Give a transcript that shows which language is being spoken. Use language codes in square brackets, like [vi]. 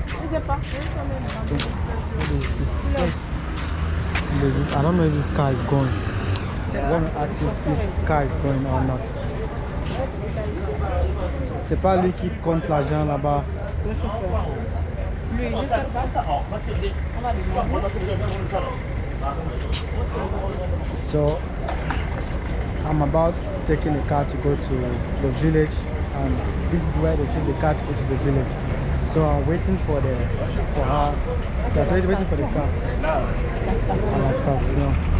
[en] I don't know if this car is going. I'm going to ask if this car is going or not. [fr] C'est pas lui qui compte l'argent là-bas. Le chauffeur. Lui, je sais pas ça. On va les voir. [en] So, I'm about taking the car to go to the village, and this is where they take the car to go to the village. So I'm waiting for her. Yeah, I'm waiting for the car. [fr] La station.